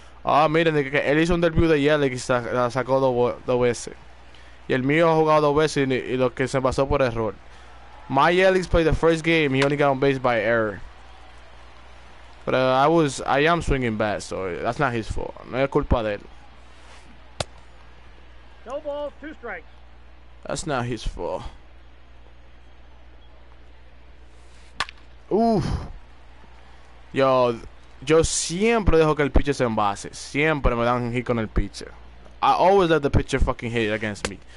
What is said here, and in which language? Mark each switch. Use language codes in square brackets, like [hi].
[es] Ah, miren, él hizo un debut de Yelix y la sacó dos veces. Y el mío ha jugado dos veces y lo que se pasó por error. [en] My Yelix played the first game, he only got on base by error. But I am swinging bad, so that's not his fault. [es] No es culpa de él. [en] No balls, two strikes. That's not his fault. [es] Oof. Yo, yo siempre dejo que el pitcher se envase. Siempre me dan un hit con el pitcher. [en] I always let the pitcher fucking hit against me.